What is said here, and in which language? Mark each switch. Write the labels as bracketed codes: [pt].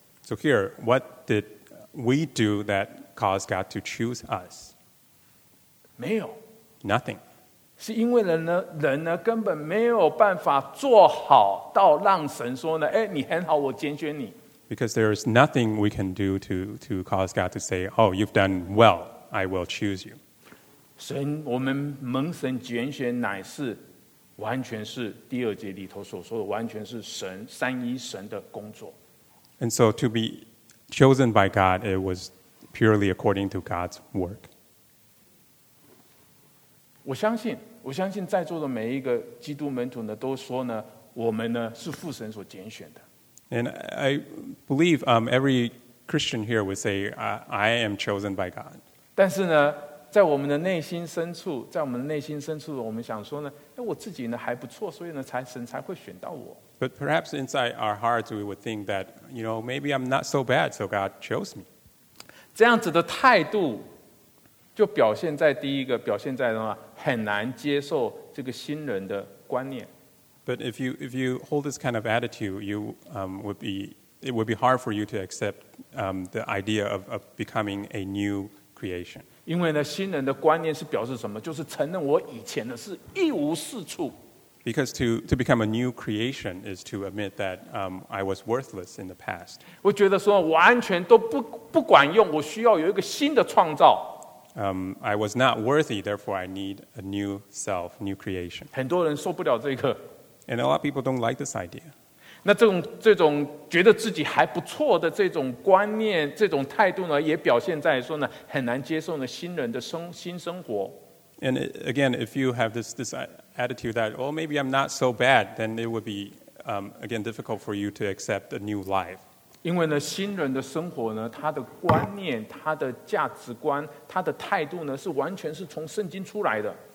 [en] So here, what did we do that caused God to choose us? [zh] 没有。 [en] Nothing. [zh] 是因为人呢根本没有办法做好到让神说呢，哎，你很好，我拣选你。 [en] Because there is nothing we can do to cause God to say, oh, you've done well, I will choose you. [zh] 神，我们蒙神拣选乃是完全是第二节里头所说的，完全是神三一神的工作。 [en] And so to be chosen by God, it was purely according to God's work. [zh] 我相信在座的每一个基督门徒呢，都说呢，我们呢是父神所拣选的。 [en] And I believe every Christian here would say, I am chosen by God. [zh] 但是呢，在我们的内心深处，在我们内心深处，我们想说呢，哎，我自己呢还不错，所以呢，神才会选到我。 [en] But perhaps inside our hearts, we would think that, you know, maybe I'm not so bad, so God chose me. [zh] 这样子的态度就表现在第一个，表现在什么？很难接受这个新人的观念。 [en] But if you hold this kind of attitude, it would be hard for you to accept the idea of becoming a new creation. [zh] 因为呢，新人的观念是表示什么？就是承认我以前的是一无是处。 [en] Because to become a new creation is to admit that I was worthless in the past. [zh] 我觉得说完全都不管用，我需要有一个新的创造。 [en] I was not worthy, therefore I need a new self, new creation. [zh] 很多人受不了这个。 [en] And a lot of people don't like this idea. [zh] 那这种觉得自己还不错的这种观念，这种态度呢，也表现在说呢，很难接受呢新人的新生活。 [en] And again, if you have this attitude that, oh, maybe I'm not so bad, then it would be, again, difficult for you to accept a new life. [zh] 因为呢，新人的生活呢，他的观念、他的价值观、他的态度呢，是完全是从圣经出来的。